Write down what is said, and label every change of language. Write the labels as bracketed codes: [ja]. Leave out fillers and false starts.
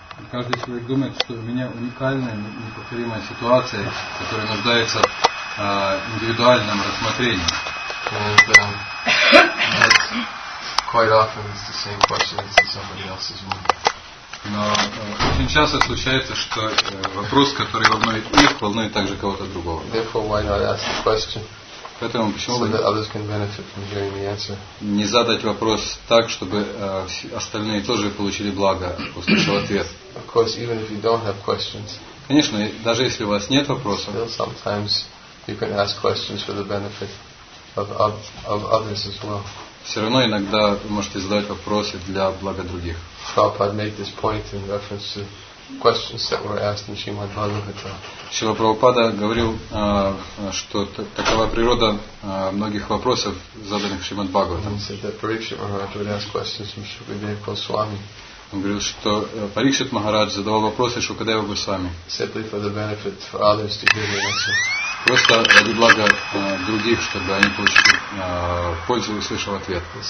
[ru] каждый человек думает, что у меня уникальная, неповторимая ситуация, которая нуждается в индивидуальном рассмотрении. [en] And quite often it's the same question in somebody else's mind. [ru] Но очень часто случается, что вопрос, который волнует их, волнует также кого-то другого. [en] Therefore, why not ask the question? [ru] Поэтому почему [en] so that others can benefit from hearing the answer. [ru] Не задать вопрос так, чтобы остальные тоже получили благо, услышав ответ. [en] Of course, even if you don't have questions. [ru] Конечно, даже если у вас нет вопросов. [en] Still, sometimes you can ask questions for the benefit of others as well. [ru] Все равно иногда вы можете задать вопросы для блага других. [en] Prabhupada made this point in reference to questions that were asked in Srimad Bhagavatam. [ru] Шрила Прабхупада говорил, что такова природа многих вопросов, заданных Шримад Бхагаватам. [en] He said that Парикшит Махарадж would ask questions from Шукадева Госвами. [ru] Он говорил, что Парикшит Махарадж задавал вопросы Шукадева Госвами. [en] Simply for the benefit for others to hear the answer. [ru] Просто ради блага других, чтобы они получили пользу, услышав ответ.